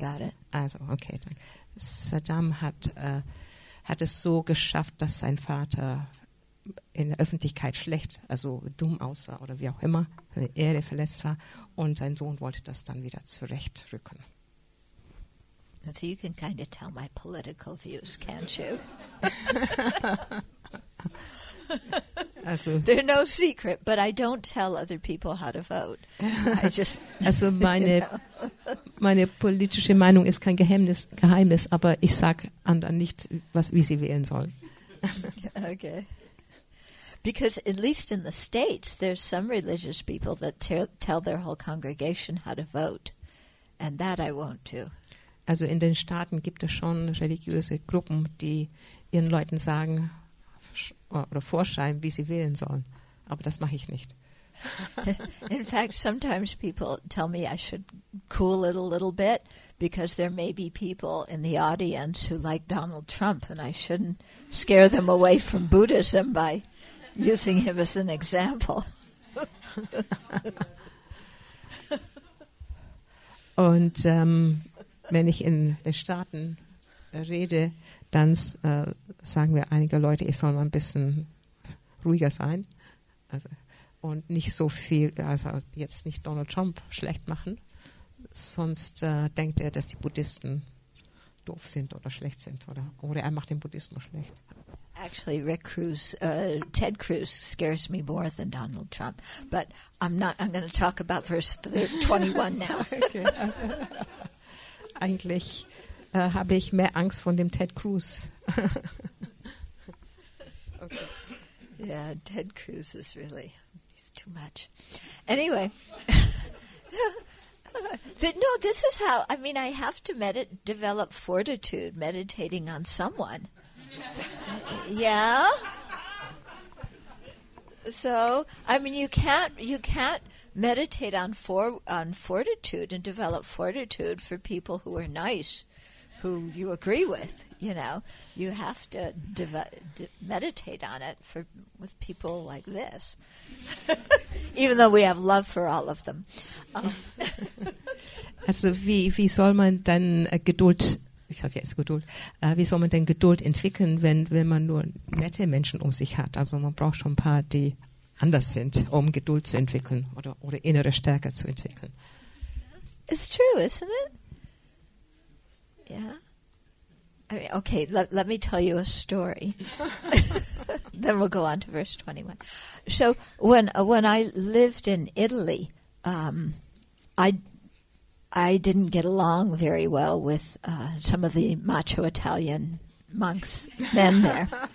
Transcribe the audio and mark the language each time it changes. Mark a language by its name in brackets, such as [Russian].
[English] about it. [German] Also, okay, danke. Saddam hat es so geschafft, dass sein Vater in der Öffentlichkeit schlecht, also dumm aussah oder wie auch immer, Ehre verletzt war, und sein Sohn wollte das dann wieder zurechtrücken. [English] So you can kind of tell my political views, can't you? Also, they're no secret, but I don't tell other people how to vote. I just, [German] also meine, [English] you know, [German] meine politische Meinung ist kein Geheimnis, aber ich sag anderen nicht, wie sie wählen sollen. Okay. [English] Because at least in the States, there's some religious people that tell their whole congregation how to vote, and that I won't do. [German] Also in den Staaten gibt es schon religiöse Gruppen, die ihren Leuten sagen oder vorschreiben, wie sie wählen sollen. Aber das mache ich nicht. [English] In fact, sometimes people tell me I should cool it a little bit because there may be people in the audience who like Donald Trump and I shouldn't scare them away from Buddhism by using him as an example. [German] Und wenn ich in den Staaten rede, dann sagen wir einige Leute, ich soll mal ein bisschen ruhiger sein, also, und nicht so viel, also jetzt nicht Donald Trump schlecht machen, sonst denkt er, dass die Buddhisten doof sind oder schlecht sind, oder er macht den Buddhismus schlecht. [English] Actually, Ted Cruz scares me more than Donald Trump, but I'm going to talk about verse 21 now. [German] Eigentlich habe ich mehr Angst vor dem Ted Cruz. Okay. [English] Yeah, Ted Cruz is really, he's too much. Anyway, this is how, I have to develop fortitude meditating on someone. Yeah. So, you can't meditate on fortitude and develop fortitude for people who are nice, who you agree with. You know, you have to meditate on it with people like this, even though we have love for all of them. [German] Also, wie soll man dann Geduld? Ich sage jetzt Geduld. Wie soll man denn Geduld entwickeln, wenn man nur nette Menschen um sich hat? Also man braucht schon ein paar, die anders sind, um Geduld zu entwickeln oder innere Stärke zu entwickeln. [English] It's true, isn't it? Yeah. I mean, okay, let me tell you a story. Then we'll go on to verse 21. So when I lived in Italy, I didn't get along very well with some of the macho Italian monks, men there.